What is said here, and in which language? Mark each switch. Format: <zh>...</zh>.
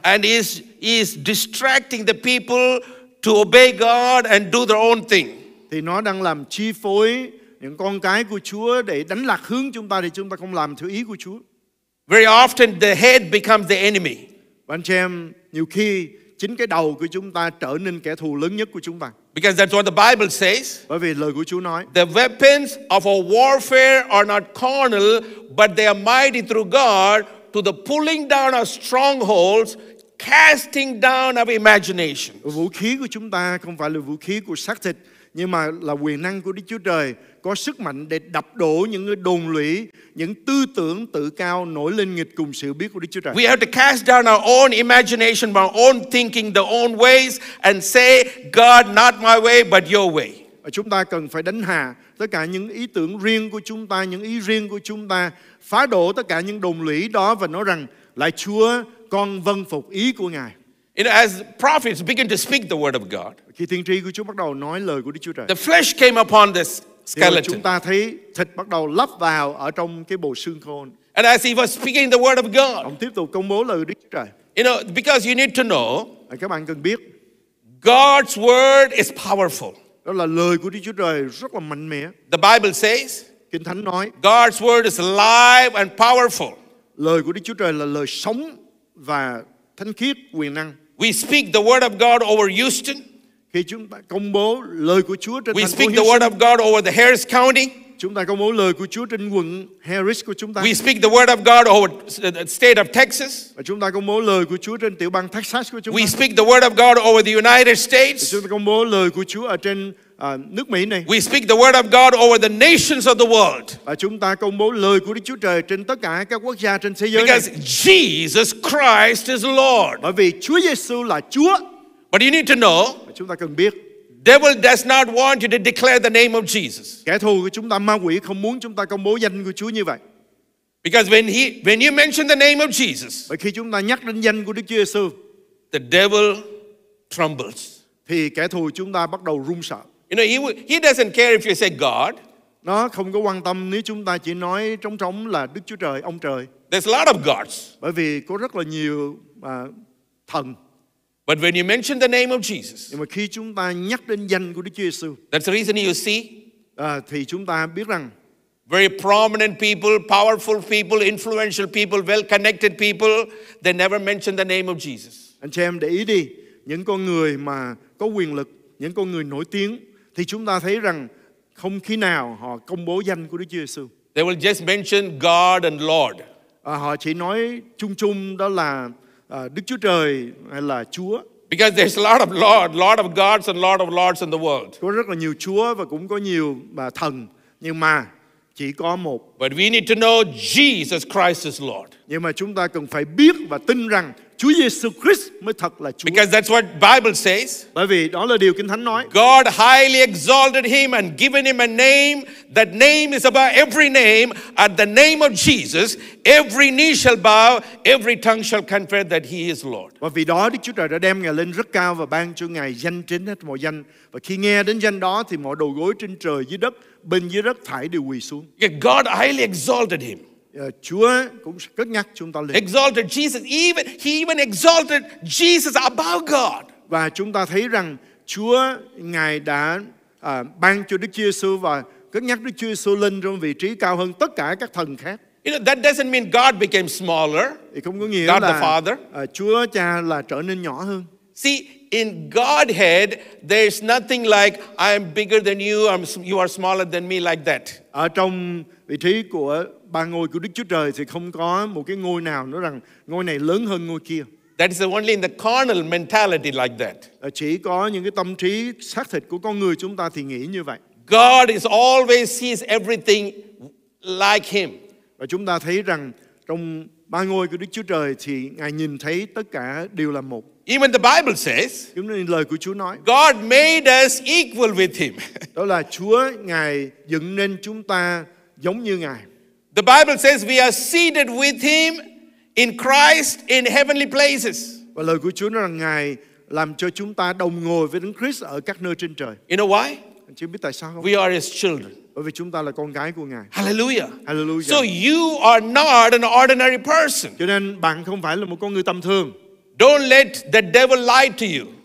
<en>And he is distracting the people to obey God and do their own thing.</en> <vi>Thì nó đang làm chi phối những con cái của Chúa để đánh lạc hướng chúng ta để chúng ta không làm theo ý của Chúa.</vi> <en>Very often the head becomes the enemy.</en> <vi>Và anh chị em, nhiều khi chính cái đầu của chúng ta trở nên kẻ thù lớn nhất của chúng ta.</vi> <en>Because that's what the Bible says.</en> <vi>Bởi vì lời của Chúa nói.</vi> <en>The weapons of our warfare are not carnal, but they are mighty through God to the pulling down of strongholds, casting down of imaginations.</en> <vi>Vũ khí của chúng ta không phải là vũ khí của xác thịt, nhưng mà là quyền năng của Đức Chúa Trời có sức mạnh để đập đổ những đồn lũy, những tư tưởng tự cao nổi lên nghịch cùng sự biết của Đức Chúa Trời.</vi> <en>We have to cast down our own imagination, our own thinking, the own ways and say, God, not my way, but your way.</en> <vi>Chúng ta cần phải đánh hạ tất cả những ý tưởng riêng của chúng ta, những ý riêng của chúng ta, phá đổ tất cả những đồn lũy đó và nói rằng, lại Chúa, con vâng phục ý của Ngài.</vi> <en>You know, as prophets begin to speak the word of God,</en> <vi>khi tiên tri của Chúa bắt đầu nói lời của Đức Chúa Trời,</vi> <en>the flesh came upon this skeleton.</en> <vi>Chúng ta thấy thịt bắt đầu lấp vào ở trong cái bộ xương khô.</vi> <en>And as he was speaking the word of God.</en> <vi>Ông tiếp tục công bố lời Đức Chúa Trời.</vi> <en>You know, because you need to know.</en> <vi>Các bạn cần biết.</vi> <en>God's word is powerful.</en> <vi>Đó là lời của Đức Chúa Trời rất là mạnh mẽ.</vi> <en>The Bible says.</en> <vi>Kinh Thánh nói.</vi> <en>God's word is alive and powerful.</en> <vi>Lời của Đức Chúa Trời là lời sống và thánh khiết, quyền năng.</vi> <en>We speak the word of God over Houston.</en> <vi>Khi chúng ta công bố lời của Chúa trên thành phố</vi> <en>Houston. We speak the word of God over the Harris County.</en> <vi>Chúng ta công bố lời của Chúa trên quận Harris của chúng ta.</vi> <en>We speak the word of God over the state of Texas.</en> <vi>Và chúng ta công bố lời của Chúa trên tiểu bang Texas của chúng ta.</vi> <en>We speak the word of God over the United States.</en> <vi>Chúng ta công bố lời của Chúa ở trên nước Mỹ này.</vi> <en>We speak the word of God over the nations of the world.</en> <vi>Và chúng ta công bố lời của Đức Chúa Trời trên tất cả các quốc gia trên thế giới.</vi> <en>Because Jesus Christ is Lord.</en> <vi>Bởi vì Chúa Giêsu là Chúa.</vi> <en>But you need to know.</en> <vi>Và chúng ta cần biết.</vi> <en>Devil does not want you to declare the name of Jesus.</en> <vi>Kẻ thù của chúng ta, ma quỷ không muốn chúng ta công bố danh của Chúa như vậy.</vi> <en>Because when you mention the name of Jesus.</en> <vi>Và khi chúng ta nhắc đến danh của Đức Chúa Giêsu.</vi> <en>The devil trembles.</en> <vi>Thì kẻ thù chúng ta bắt đầu run sợ.</vi> <en>You know, he doesn't care if you say God.</en> <vi>Nó không có quan tâm nếu chúng ta chỉ nói trống trống là Đức Chúa Trời, ông trời.</vi> <en>There's a lot of gods.</en> <vi>Bởi vì có rất là nhiều thần.</vi> <en>But when you mention the name of Jesus.</en> <vi>Nhưng mà khi chúng ta nhắc đến danh của Đức Chúa Giêsu.</vi> <en>That's the reason you see.</en> <vi>Thì chúng ta biết rằng.</vi> <en>Very prominent people, powerful people, influential people, well-connected people, they never mention the name of Jesus.</en> <vi>Anh chị em để ý đi. Những con người mà có quyền lực, những con người nổi tiếng. Thì chúng ta thấy rằng không khi nào họ công bố danh của Đức Chúa Giêsu.</vi> <en>They will just mention God and Lord.</en> <vi>Họ chỉ nói chung chung đó là Đức Chúa Trời hay là Chúa.</vi> <en>Because there's a lot of Lord, Lord of gods and Lord of lords in the world.</en> <vi>Có rất là nhiều Chúa và cũng có nhiều thần, nhưng mà chỉ có một.</vi> <en>But we need to know Jesus Christ is Lord.</en> <vi>Nhưng mà chúng ta cần phải biết và tin rằng Chúa Giêsu Christ mới thật là Chúa.</vi> <en>Because that's what Bible says.</en> <vi>Bởi vì đó là điều Kinh Thánh nói.</vi> <en>God highly exalted him and given him a name. That name is above every name. At the name of Jesus, every knee shall bow, every tongue shall confess that he is Lord.</en> <vi>Bởi vì đó Đức Chúa Trời đã đem Ngài lên rất cao và ban cho Ngài danh trên hết mọi danh. Và khi nghe đến danh đó thì mọi đầu gối trên trời dưới đất, bên dưới đất phải đều quỳ xuống.</vi> <en>God highly exalted him.</en> <vi>Chúa cũng cất nhắc chúng ta lên.</vi> <en>Exalted Jesus, he even exalted Jesus above God.</en> <vi>Và chúng ta thấy rằng Chúa Ngài đã ban cho Đức Giêsu và cất nhắc Đức Giêsu lên trong vị trí cao hơn tất cả các thần khác.</vi> <en>You know, that doesn't mean God became smaller.</en> <vi>Thì không có nghĩa</vi> <en>God</en> <vi>là</vi> <en>the Father.</en> <vi>Chúa Cha là trở nên nhỏ hơn.</vi> <en>See, in Godhead, there's nothing like I am bigger than you, you are smaller than me, like that.</en> <vi>Ở trong vị trí của ba ngôi của Đức Chúa Trời thì không có một cái ngôi nào nói rằng ngôi này lớn hơn ngôi kia.</vi> <en>That is only in the carnal mentality like that.</en> <vi>Chỉ có những cái tâm trí xác thịt của con người chúng ta thì nghĩ như vậy.</vi> <en>God is always sees everything like him.</en> <vi>Và chúng ta thấy rằng trong ba ngôi của Đức Chúa Trời thì Ngài nhìn thấy tất cả đều là một.</vi> <en>Even the Bible says.</en> <vi>Chúng ta nhìn lời của Chúa nói.</vi> <en>God made us equal with him.</en> <vi>Đó là Chúa Ngài dựng nên chúng ta giống như Ngài.</vi> <en>The Bible says we are seated with him in Christ in heavenly places.</en> <vi>Và lời của Chúa nói rằng Ngài làm cho chúng ta đồng ngồi với Đấng Christ ở các nơi trên trời.</vi> <en>You know why?</en> <vi>Anh chị biết tại sao không?</vi> <en>We are his children.</en> <vi>Bởi vì chúng ta là con gái của Ngài.</vi> <en>Hallelujah.</en> <vi>Hallelujah.</vi> <en>So you are not an ordinary person.</en> <vi>Cho nên bạn không phải là một con người tầm thường.</vi> <en>Don't let the devil lie to you.</en>